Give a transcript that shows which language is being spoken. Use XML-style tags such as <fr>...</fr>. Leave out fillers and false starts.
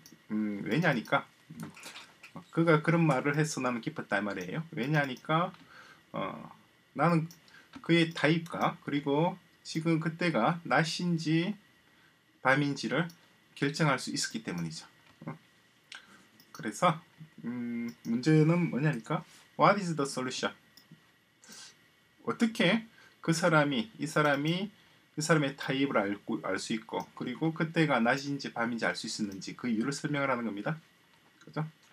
<ko>왜냐니까 그가 그런 말을 해서 나는 기뻤다 이 말이에요. 왜냐니까 나는 그의 타입과 그리고 지금 그때가 낮인지 밤인지를 결정할 수 있었기 때문이죠. 그래서 문제는 뭐냐니까,</ko> <en>What is the solution?</en> <ko>어떻게 그 사람이 이 사람의 타입을 알 수 있고 그리고 그때가 낮인지 밤인지 알 수 있었는지 그 이유를 설명을 하는 겁니다. 그죠?</ko>